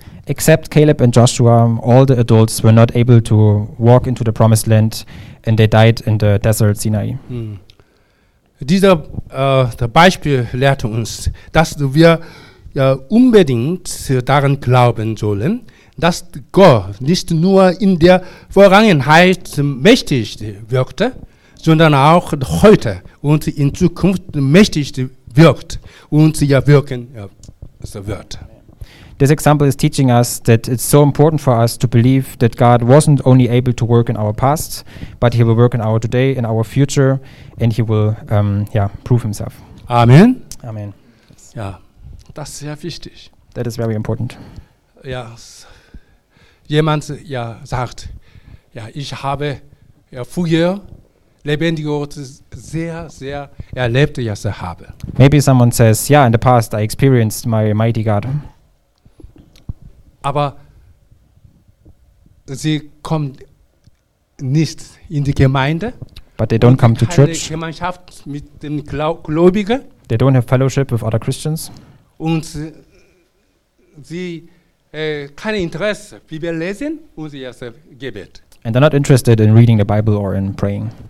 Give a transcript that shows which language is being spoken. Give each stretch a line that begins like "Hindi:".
English: Except Caleb and Joshua, all the adults were not able to walk into the promised land, and they died in the desert Sinai.
German: Dieser Beispiel lehrt uns, dass wir unbedingt daran glauben sollen, dass Gott nicht nur in der Vergangenheit mächtig wirkte, sondern auch heute und in Zukunft mächtig wirkt und wirken wird.
English: This example is teaching us that it's so important for us to believe that God wasn't only able to work in our past, but he will work in our today, in our future, and he will prove himself. Amen. Amen.
German: Ja, das ist sehr wichtig.
English: That is very important.
German: Ja, jemand sagt, ja, ich habe früher lebendige Gott sehr, sehr erlebt, habe.
English: Maybe someone says, yeah, in the past I experienced my mighty God.
German: Aber sie kommen nicht in die Gemeinde.
English: But they don't come to church.
German: Keine Gemeinschaft mit den Gläubigen.
English: They don't have fellowship with other Christians.
German: Und sie kein Interesse, Bibel lesen und Gebet.
English: And they're not interested in reading the Bible or in praying.